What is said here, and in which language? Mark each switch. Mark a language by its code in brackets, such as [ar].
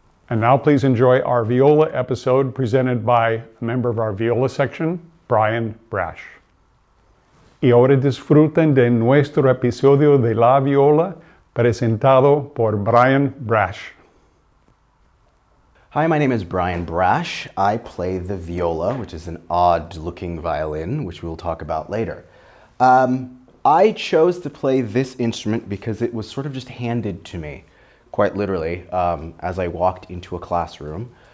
[en] And now please enjoy our viola episode presented by a member of our viola section, Bryan, Brasch. [es] Y ahora disfruten de nuestro episodio de la viola presentado por Bryan, Brasch. [en] Hi, my name is Bryan Brasch. I play the viola, which is an odd-looking violin, which we'll talk about later. I chose to play this instrument because it was sort of just handed to me, quite literally, as I walked into a classroom.